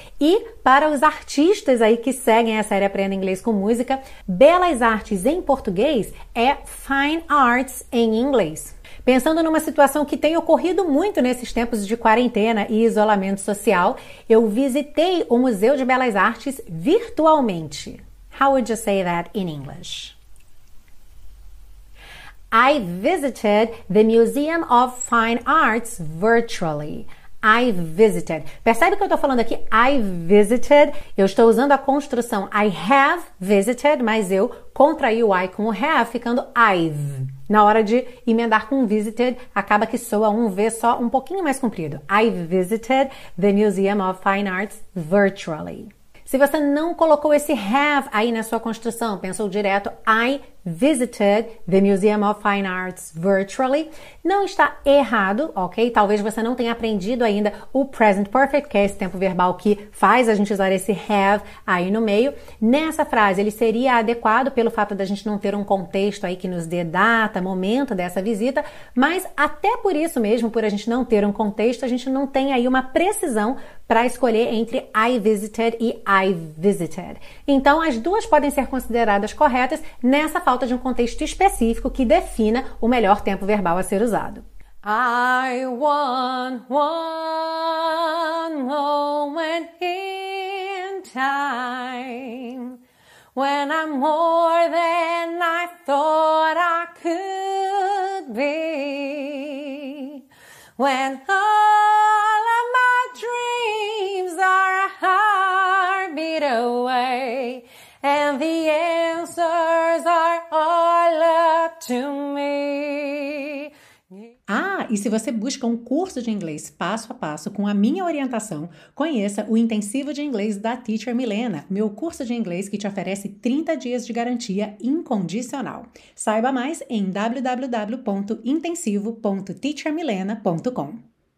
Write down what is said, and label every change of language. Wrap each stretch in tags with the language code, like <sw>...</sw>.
<pt>E para os artistas aí que seguem a série Aprenda Inglês com Música, belas artes em português é fine arts em inglês. Pensando numa situação que tem ocorrido muito nesses tempos de quarentena e isolamento social, eu visitei o Museu de Belas Artes virtualmente.</pt> <en>How would you say that in English? I visited the Museum of Fine Arts virtually. I visited.</en> <pt>Percebe que eu estou falando aqui?</pt> <en>I visited.</en> <pt>Eu estou usando a construção</pt> <en>I have visited,</en> <pt>mas eu contraí o I com o have, ficando I've. Na hora de emendar com visited, acaba que soa um V só um pouquinho mais comprido.</pt> <en>I visited the Museum of Fine Arts virtually.</en> <pt>Se você não colocou esse have aí na sua construção, pensou direto,</pt> <en>I visited the Museum of Fine Arts virtually,</en> <pt>não está errado, ok? Talvez você não tenha aprendido ainda o present perfect, que é esse tempo verbal que faz a gente usar esse have aí no meio. Nessa frase, ele seria adequado pelo fato da gente não ter um contexto aí que nos dê data, momento dessa visita, mas até por isso mesmo, por a gente não ter um contexto, a gente não tem aí uma precisão para escolher entre</pt> <en>I visited</en> <pt>e I visited. Então, as duas podem ser consideradas corretas nessa essa falta de um contexto específico que defina o melhor tempo verbal a ser usado.</pt> <en>I want one moment in time when I'm more than I thought I could be, when all of my dreams are a heartbeat away and the answers are all up to me.</en> <pt>Ah, e se você busca um curso de inglês passo a passo com a minha orientação, conheça o Intensivo de Inglês da Teacher Milena, meu curso de inglês que te oferece 30 dias de garantia incondicional. Saiba mais em www.intensivo.teachermilena.com.</pt>